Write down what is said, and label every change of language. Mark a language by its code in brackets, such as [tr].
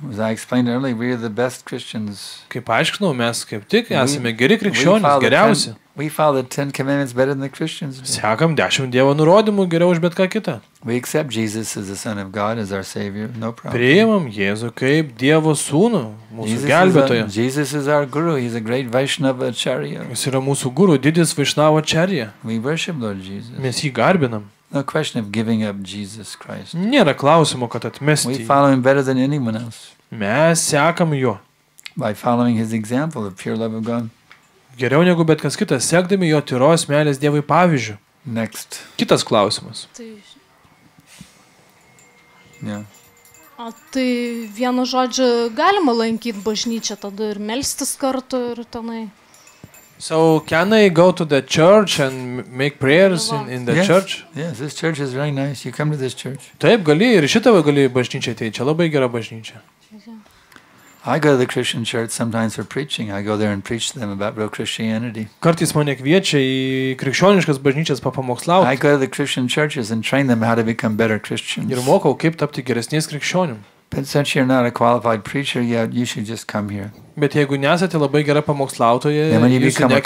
[en] As I explained earlier, we are the best Christians. [lt] Kaip aiškinau, mes kaip tik esame geri krikščionys, geriausi. [en] We follow the Ten Commandments better than the Christians. [lt] Sekam 10 Dievo nurodymų geriau už bet ką kitą. [en] We accept Jesus as the Son of God, as our Savior, no problem. [lt] Priimam Jėzų kaip Dievo sūnų, mūsų gelbėtoją. [en] Jesus is our guru, he's a great Vaishnava Acharya. [lt] Jis yra mūsų guru, didis Vaishnava Acharya. [en] We worship Lord Jesus. [lt] Mes jį garbinam. [en] No question of giving up Jesus Christ. [lt] Nėra klausimo, kad atmesti. [en] We follow him better than anyone else. [lt] Mes sekam jo. [en] By following his example of pure love of God. [lt] Geriau negu bet kas kitas, sekdami jo tyros meilės Dievui pavyzdžių. [en] Next. [lt] Kitas klausimas. [en] Yeah. [lt] O tai vienu žodžiu galima lankyti bažnyčią tada ir melstis kartu ir tenai. [en] So can I go to the church and make prayers in the yes, church? Yes, this church is very nice. You come to this church. [lt] Taip, gali ir šitą gali bažnyčią ateiti. Čia labai gera bažnyčia. [en] I go to the Christian church sometimes for preaching. I go there and preach to them about real Christianity. [lt] Kartais mane kviečia į krikščioniškas bažnyčias papamokslauti. [en] I go to the Christian churches and train them how to become better Christians. [lt] Ir mokau, kaip tapti geresniais krikščionim. [en] But since you're not a qualified preacher yet, you should just come here. [lt] Bet jeigu nesate labai gera pamokslautoje, jūs